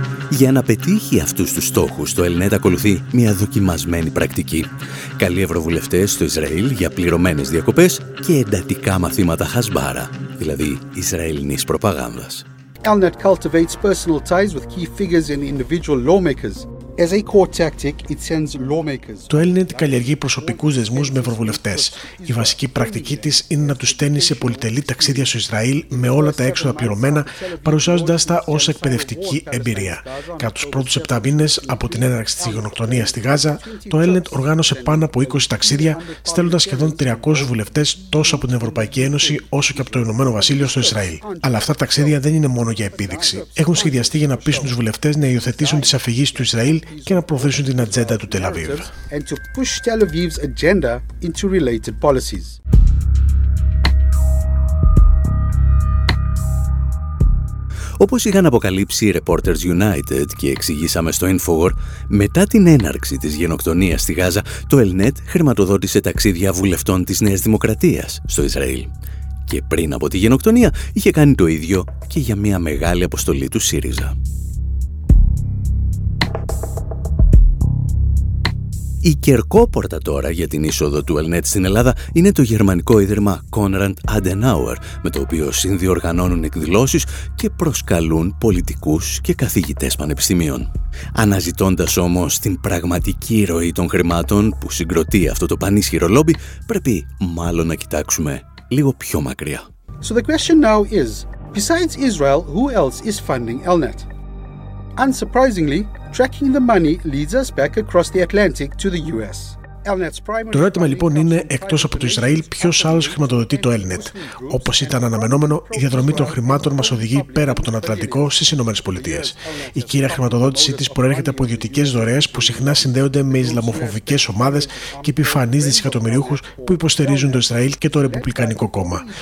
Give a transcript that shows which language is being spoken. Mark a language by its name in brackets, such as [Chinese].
[Greek] Για να πετύχει αυτούς τους στόχους, το ELNET ακολουθεί μια δοκιμασμένη πρακτική. Καλεί ευρωβουλευτές στο Ισραήλ για πληρωμένες διακοπές και εντατικά μαθήματα χασμπάρα, δηλαδή Ισραηλινής προπαγάνδας. [English] ELNET cultivates personal ties with key figures and individual lawmakers. As a core tactic, it sends lawmakers. [Greek] Το ELNET καλλιεργεί προσωπικούς δεσμούς με ευρωβουλευτές. Η βασική πρακτική της είναι να τους στέλνει σε πολυτελή ταξίδια στο Ισραήλ με όλα τα έξοδα πληρωμένα, παρουσιάζοντας τα ως εκπαιδευτική εμπειρία. Κατά τους πρώτους 7 μήνες από την έναρξη της γενοκτονίας στη Γάζα, το ELNET οργάνωσε πάνω από 20 ταξίδια, στέλνοντας σχεδόν 300 βουλευτές τόσο από την Ευρωπαϊκή Ένωση όσο και από το Ηνωμένο Βασίλειο στο Ισραήλ. Αλλά αυτά τα ταξίδια δεν είναι μόνο για επίδειξη. Έχουν σχεδιαστεί για να πείσουν τους βουλευτές να υιοθετήσουν τις αφηγήσεις του Ισραήλ και να προωθήσουν την ατζέντα του Τελαβίβ. [English] And to push Tel Aviv's agenda into related policies. [Greek] Όπως είχαν αποκαλύψει οι Reporters United και εξηγήσαμε στο Infowar, μετά την έναρξη της γενοκτονίας στη Γάζα, το ELNET χρηματοδότησε ταξίδια βουλευτών της Νέας Δημοκρατίας στο Ισραήλ. Και πριν από τη γενοκτονία, είχε κάνει το ίδιο και για μια μεγάλη αποστολή του ΣΥΡΙΖΑ. Η κερκόπορτα τώρα για την είσοδο του ELNET στην Ελλάδα είναι το γερμανικό ίδρυμα Konrad Adenauer, με το οποίο συνδιοργανώνουν εκδηλώσεις και προσκαλούν πολιτικούς και καθηγητές πανεπιστημίων. Αναζητώντας όμως την πραγματική ροή των χρημάτων που συγκροτεί αυτό το πανίσχυρο λόμπι, πρέπει μάλλον να κοιτάξουμε λίγο πιο μακριά. [English] So the question now is, besides Israel, who else is funding ELNET? Unsurprisingly, tracking the money leads us back across the Atlantic to the US. [Greek] Το ερώτημα λοιπόν είναι, εκτός από το Ισραήλ, ποιος άλλος χρηματοδοτεί το ELNET? Όπως ήταν αναμενόμενο, η διαδρομή των χρημάτων μας οδηγεί πέρα από τον Ατλαντικό στις ΗΠΑ. Η κύρια χρηματοδότησή της προέρχεται από ιδιωτικές δωρεές που συχνά συνδέονται με Ισλαμοφοβικές ομάδες και επιφανείς δισεκατομμυριούχους που υποστηρίζουν το Ισραήλ και το Ρεπουμπλικανικό Κόμμα.